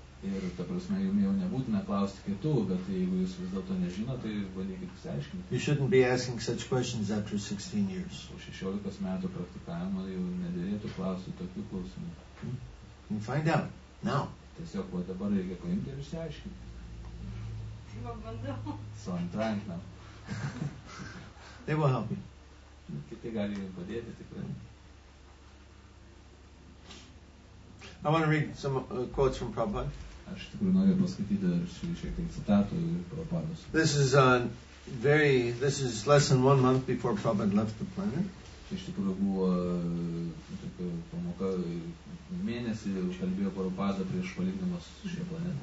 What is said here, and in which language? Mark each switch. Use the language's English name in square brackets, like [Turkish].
[Lithuanian] Ir ta prasme, jums jau nebūtina klausti kitų, bet jeigu jūs vis dėlto nežino, tai bandykit išsiaiškinti. [English] You shouldn't be asking such questions after 16 years. [Lithuanian] Po 16 metų praktikavimo jau nederėtų klausti tokių klausimų. [English] And find out now. [Lithuanian] Tiesiog va dabar reikia paimti ir išsiaiškinti. [English] So I'm trying now. They will help you. [Lithuanian] Kiti gali jums padėti tikrai. [English] I want to read some quotes from Prabhupada. [Lithuanian] Aš tikrai noriu paskaityti šiek tiek citatų iš Prabhupados. [English] This is less than one month before Prabhupada left the planet. [Lithuanian] Čia iš tikrųjų buvo tokia pamoka, mėnesį kalbėjo Prabhupada prieš palikdamas šią planetą.